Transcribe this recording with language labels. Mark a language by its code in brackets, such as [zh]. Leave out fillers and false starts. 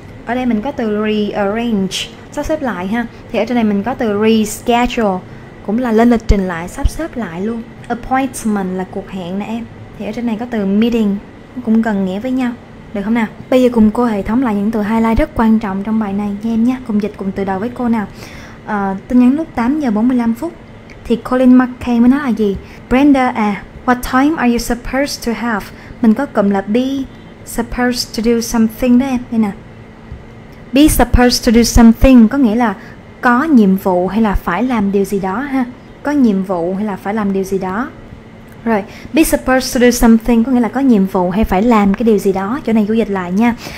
[vi] Ở đây mình có từ rearrange, sắp xếp lại ha. Thì ở trên này mình có từ reschedule, cũng là lên lịch trình lại, sắp xếp lại luôn. Appointment là cuộc hẹn nè em. Thì ở trên này có từ meeting, cũng gần nghĩa với nhau, được không nào? Bây giờ cùng cô hệ thống lại những từ highlight rất quan trọng trong bài này nha em nhé. Cùng dịch cùng từ đầu với cô nào. Tin nhắn lúc 8:45 thì Colin McKay mới nói là gì? [en] Brenda à, what time are you supposed to have? [vi] Mình có cụm là [en] be supposed to do something [vi] đó em. Đây nè, [en] be supposed to do something [vi] có nghĩa là có nhiệm vụ hay là phải làm điều gì đó ha. Có nhiệm vụ hay là phải làm điều gì đó. Rồi, [en] be supposed to do something [vi] có nghĩa là có nhiệm vụ hay phải làm cái điều gì đó. Chỗ này chú dịch lại nha.